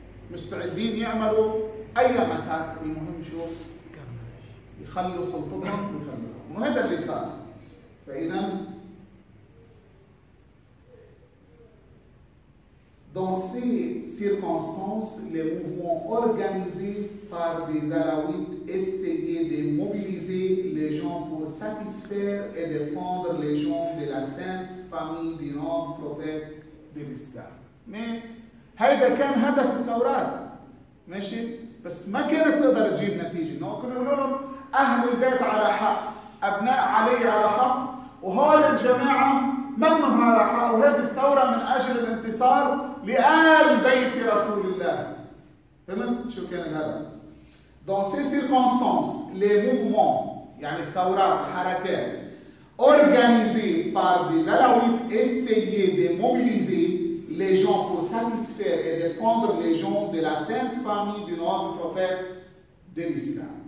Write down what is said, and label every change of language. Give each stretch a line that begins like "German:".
Arabic: Mustaedin ya3malou اي مساك. المهم شو يخلوا سلطتهم ويخلوهم، وهذا اللي صار.
French: فاذا dans ces circonstances les mouvements organisés par des alawites essayaient de mobiliser les gens pour satisfaire et défendre les gens de la sainte famille du nom prophète de l'islam.
Arabic: mais هذا كان هدف الثورات ماشي، بس ما كانت تقدر تجيب نتيجة. إنه كانوا يقولون أهل البيت على حق، أبناء علي على حق، وهول الجماعة منهم على حق، وهذه الثورة من أجل الانتصار لآل بيت رسول الله. فهمت شو كان هذا؟
French: dans ces circonstances les mouvements
Arabic: يعني الثورات الحركات
French: organisées par des alawites essayaient de mobiliser les gens pour satisfaire et défendre les gens de la sainte famille du noble prophète de l'islam.